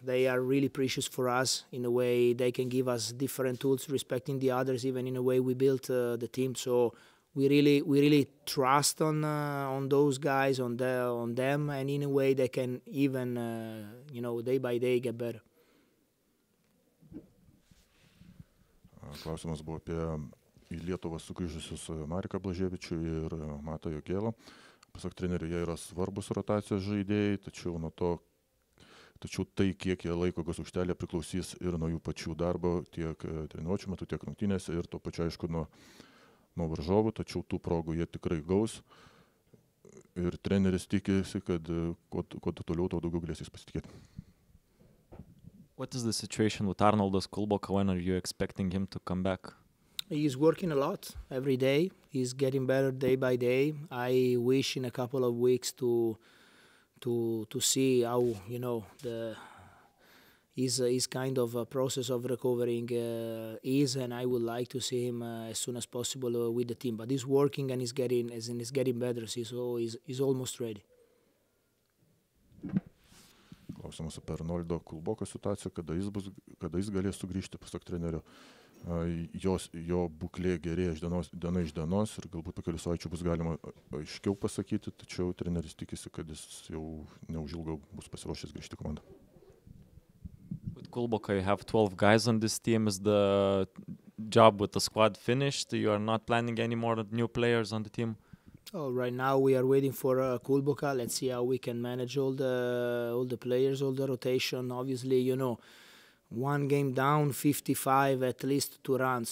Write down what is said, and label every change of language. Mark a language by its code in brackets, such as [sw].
[en] They are really precious for us in a way they can give us different tools respecting the others, even in a way we built the team. So we really trust on those guys, on them, and in a way they can even, you know, day by day get better. [lt] Klausimas buvo apie į Lietuvą sugrįžusius Mariką Blaževičių ir Matą Jogėlą. Pasak trenerių, jie yra svarbus rotacijos žaidėjai, tačiau nuo to, tačiau tai, kiek jie laiko gas užtelė, priklausys ir nuo jų pačių darbo, tiek treniruočių metu, tiek rungtynėse, ir to pačiu, aišku, nuo varžovų, tačiau tų progų jie tikrai gaus. Ir treneris tikisi, kad kuo tu toliau, tuo daugiau galės jis pasitikėti. [en] What is the situation with Arnoldas Kulboka? When are you expecting him to come back? He's working a lot every day. He's getting better day by day. I wish in a couple of weeks to see how, you know, the his kind of a process of recovering is, and I would like to see him as soon as possible with the team. But he's working and he's getting better. So he's almost ready. [lt] Klausimas apie Arnoldo Kulboko situaciją, kada jis galės sugrįžti, pasak trenerio. Jo būklė gerėja diena iš dienos ir galbūt po kelių savaičių bus galima aiškiau pasakyti, tačiau treneris tikisi, kad jis jau neužilgo bus pasiruošęs grįžti į komandą. [en] With Kulboka, you have 12 guys on this team. Is the job with the squad finished? You are not planning any more new players on the team? Oh, right now we are waiting for Kulboka. Let's see how we can manage all the players, all the rotation. Obviously, you know, one game down, 55 at least to run.